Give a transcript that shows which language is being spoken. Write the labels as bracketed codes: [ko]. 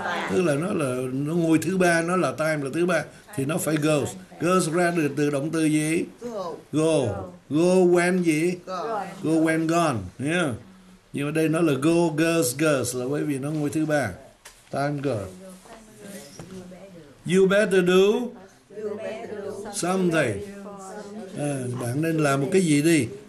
[vi] Tức là nó là nó ngôi thứ ba, nó là time là thứ ba, thì nó phải goes. Goes ra được từ động từ gì? [en] Go. Go when gì? Go when gone. Yeah. [vi] Nhưng mà đây nó là go goes là bởi vì nó ngôi thứ ba. [en] Time goes. You better do something. [vi] À, bạn nên làm một cái gì đi.